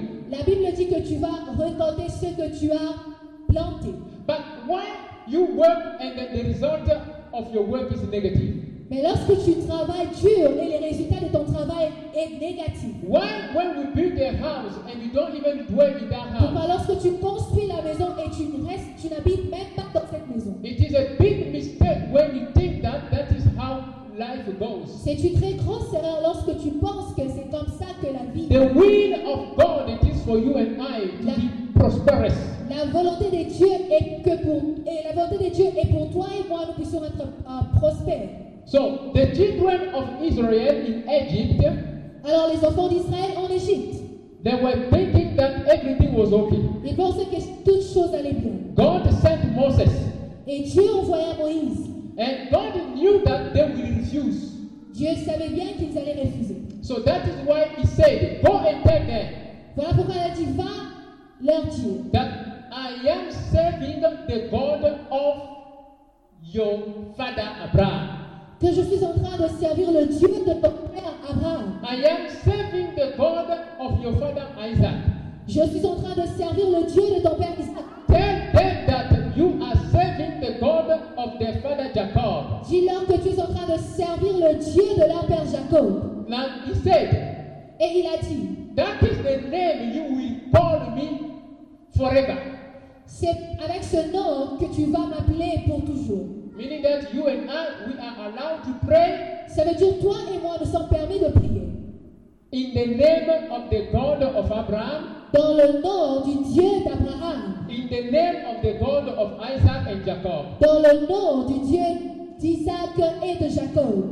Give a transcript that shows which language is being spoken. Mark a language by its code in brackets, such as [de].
[fr] La Bible dit que tu vas récolter ce que tu as planté. [en] But why you work and the result of your work is negative? [fr] Mais lorsque tu travailles dur et les résultats de ton travail est négatif. [en] Why when we build a house and you don't even dwell in that house? [fr] Pourquoi lorsque tu construis la maison et tu n'habites même pas dans cette maison? [en] It is a big mistake when you think that is how life goes. [fr] C'est une très grosse erreur lorsque tu penses que c'est comme ça que la vie. [en] The will of God it is for you and I to be prosperous. [fr] La volonté de Dieu est pour toi et moi nous puissions être prospères. [en] So the children of Israel in Egypt. [fr] Alors les enfants d'Israël en Égypte. [en] They were thinking that everything was okay. [fr] Ils pensaient que toutes choses allaient bien. [en] God sent Moses. [fr] Et Dieu envoya Moïse. [en] And God knew that they would refuse. [fr] Dieu savait bien qu'ils allaient refuser. [en] So that is why he said, go and tell them. [fr] Voilà pourquoi il a dit va leur dire. [en] That I am serving the God of your father Abraham. [fr] Que je suis en train de servir le Dieu de ton père Abraham. [en] I am serving the God of your father Isaac. [fr] Je suis en train de servir le Dieu de ton père Isaac. [en] Tell them that you are serving the God of their father Jacob. [fr] Dis-leur que tu es en train de servir le Dieu de leur père Jacob. [en] Now he said. [fr] Et il a dit. [en] That is the name you will call me forever. [fr] C'est avec ce nom que tu vas m'appeler pour toujours. [en] Meaning that you and I, we are allowed to pray. [fr] Ça veut dire toi et moi nous sommes permis de prier. [en] In the name of the God of Abraham. [fr] Dans le nom du Dieu d'Abraham. [en] In the name of the God of Isaac and Jacob. [fr] Dans le nom du Dieu d'Isaac et de Jacob.